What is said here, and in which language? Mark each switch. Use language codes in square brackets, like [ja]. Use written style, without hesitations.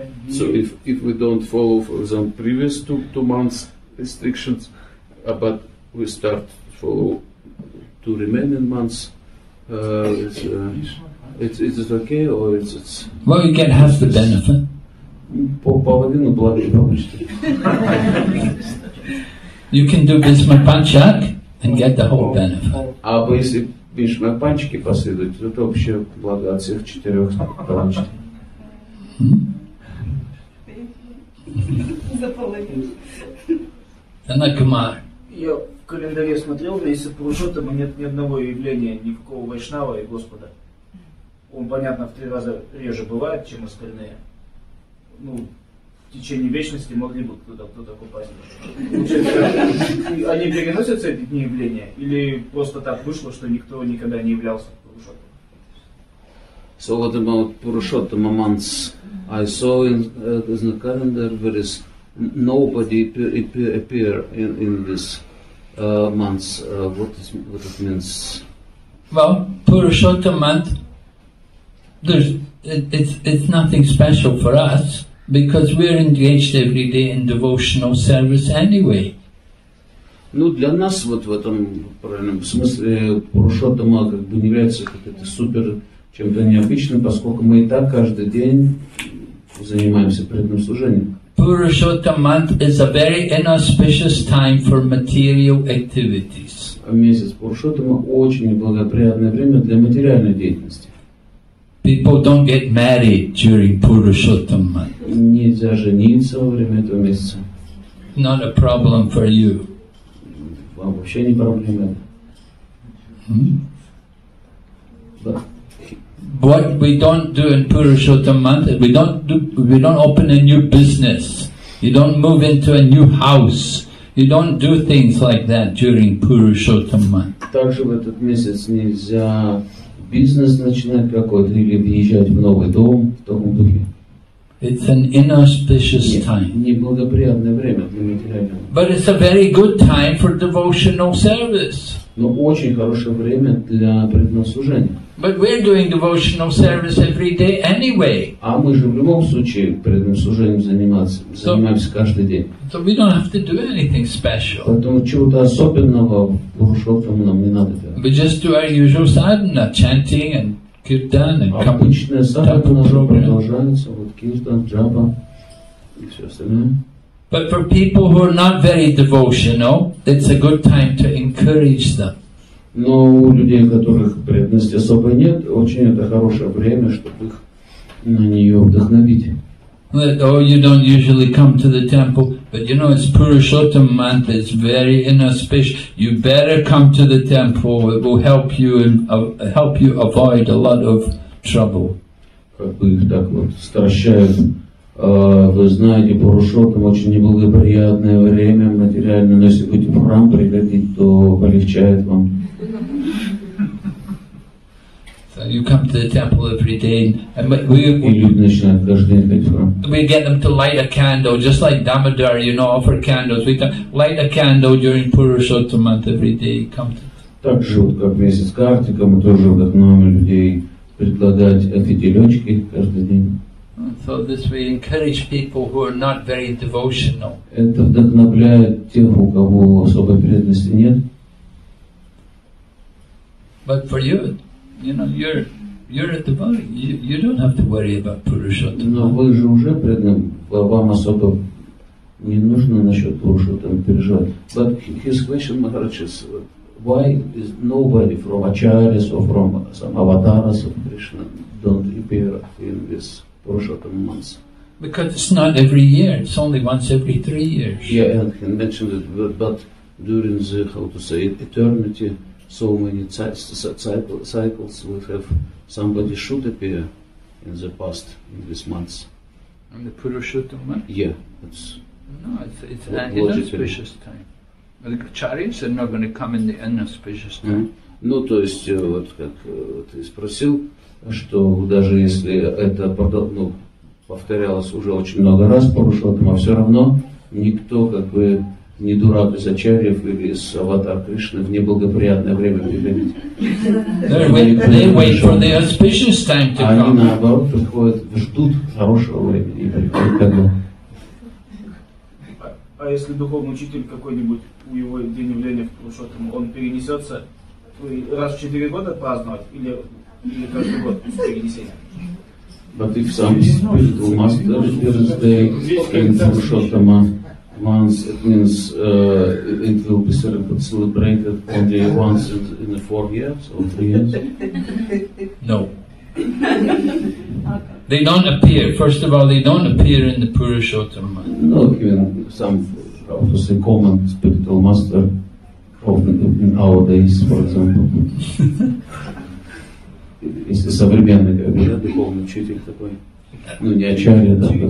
[en] so if we don't follow, for example, previous two months restrictions, but we start for two remaining months, it's okay, or it's well, you can have the benefit. [ru] Половину благо получите. [en] You can do Bhishmapanchak and get the whole benefit. [ru] Бишмапанчики последуют, это вообще благо от всех четырех планчиков. За половину. Накамар. Я в календаре смотрел, месяц прошел, там нет ни одного явления, никакого вайшнава и Господа. Он, понятно, в три раза реже бывает, чем остальные. Ну, в течение вечности могли бы кто-то попасть. Они переносятся, эти дни явления, или просто так вышло, что никто никогда не являлся Пурушоттам? [en] So what about Пурушоттама months? I saw in the calendar there is nobody appear in this months. What it means? Well, Пурушоттама month, it's nothing special for us. Because we're engaged every day in devotional service anyway. [ru] Ну для нас вот в этом правильном смысле Пурушоттама как бы не является каким-то супер чем-то необычным, поскольку мы и так каждый день занимаемся преданным служением. [en] Пурушоттама month is a very inauspicious time for material activities. [ru] Месяц Пурушоттама очень неблагоприятное время для материальной деятельности. [en] People don't get married during Purushottam month. [ru] Нельзя жениться во время этого месяца. [en] Not a problem for you. [ru] Вам вообще не проблема. [en] What we don't do in Purushottam month, we don't open a new business. You don't move into a new house. You don't do things like that during Purushottam month. [ru] Также в этот месяц нельзя бизнес начинать какой-то или въезжать в новый дом в таком духе. [en] It's an inauspicious time. [ru] Неблагоприятное время для материального. [en] But it's a very good time for devotional service. [ru] Но очень хорошее время для преданного служения. [en] But we're doing devotional service every day anyway. [ru] А мы же в любом случае преданным служением занимаемся каждый день. [en] So we don't have to do anything special. [ru] Поэтому чего-то особенного Пурушоттама нам не надо делать. [en] We just do our usual sadhana, chanting and kirtan and [ru] обычное sadhana уже продолжается, вот kirtan, japa и все остальное. [en] But for people who are not very devotional, it's a good time to encourage them. [ru] Но у людей, у которых преданности особо нет, очень это хорошее время, чтобы их на нее вдохновить. [en] Oh, you don't usually come to the temple, but you know it's Purushottam month, it's very inauspicious. You better come to the temple, it will help you avoid a lot of trouble. [ru] Как бы их так вот стращают. Вы знаете, Пурушоттама очень неблагоприятное время материально, но если будете в храм приходить, то полегчает вам. [en] So you come to the temple every day, and we [ru] люди начинают каждый день ходить в храм. [en] We get them to light a candle, just like Damodar, you know, offer candles. We light a candle during Purushottama month every day. Come to. [ru] Так же, вот как месяц Картика, мы тоже вдохновим людей предлагать фитилечки каждый день. [en] So this we encourage people who are not very devotional. [ru] Это вдохновляет тех, у кого особой преданности нет. [en] But for you, you know, you're a devotee. You don't have to worry about Purushottama. [ru] Но вы же уже преданный. Вам особо не нужно насчет Пурушоттама переживать. [en] But his question, Maharaj, is why is nobody from Acharyas or from some avatars of Krishna don't appear in this Пурушоттама month? Because it's not every year, it's only once every 3 years. Yeah, and he mentioned it, but during the, how to say it, eternity, so many cycles we have, somebody should appear in the past, in these months. And the Purushottam month? Yeah, it's... No, it's an inauspicious time. The Acharyas are not going to come in the inauspicious time. [ru] Ну, то есть, вот как ты спросил, что даже если это повторялось уже очень много раз по Пурушоттама, все равно никто, как бы, не дурак из Ачарьев или из Аватар Кришны в неблагоприятное время не любит. [en] They wait for the auspicious time to come. [ru] Они, наоборот, приходят, ждут хорошего времени и приходят как бы. А если духовный учитель какой-нибудь, у него день явления в Пурушоттама, он перенесется раз в 4 года праздновать или каждый год перенесение? [en] But if some spiritual master appears day in Purushottama once, it means it will be celebrated only once in 4 years or 3 years? No. They don't appear. First of all, they don't appear in the Purushottama. No, even some, how to say, common spiritual master of in our days, for example. [ru] Если современный, как бы, духовный учитель такой, ну, не Ачарья, да,